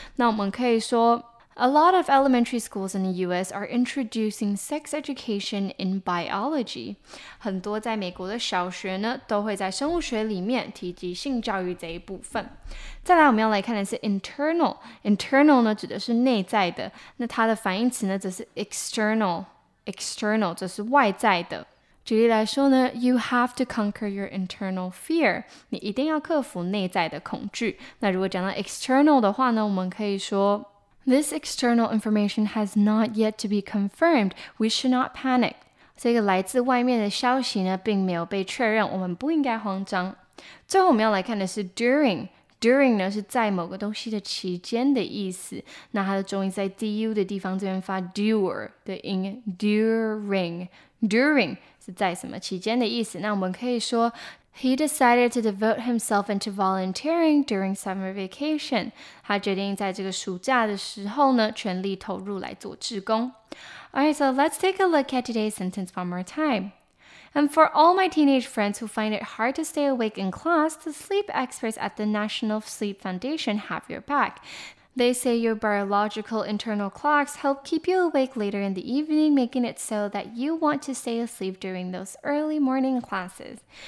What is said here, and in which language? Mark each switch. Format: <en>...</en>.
<zh>那我们可以说</zh> <en>A lot of elementary schools in the U.S. are introducing sex education in biology.</en> <zh>很多在美国的小学呢，都会在生物学里面提及性教育这一部分。再来，我们要来看的是 internal。internal 呢，指的是内在的。那它的反义词呢，则是 external。external 则是外在的。举例来说呢，</zh> <en>You have to conquer your internal fear.</en> <zh>你一定要克服内在的恐惧。那如果讲到</zh> <en>external</en> <zh>的话呢，我们可以说</zh> <en>This external information has not yet to be confirmed. We should not panic.</en> <zh>这个来自外面的消息呢，并没有被确认，我们不应该慌张。最后我们要来看的是 during。During 呢是在某个东西的期间的意思，那它的重音在 du 的地方，这边发 dur 的音 ，during。 During 是在什么期间的意思？那我们可以说。</zh> <en>He decided to devote himself into volunteering during summer vacation.</en> <zh>他决定在这个暑假的时候呢，全力投入来做志工。</zh> <en>Alright, so let's take a look at today's sentence one more time. And for all my teenage friends who find it hard to stay awake in class, the sleep experts at the National Sleep Foundation have your back. They say your biological internal clocks help keep you awake later in the evening, making it so that you want to stay asleep during those early morning classes.</en>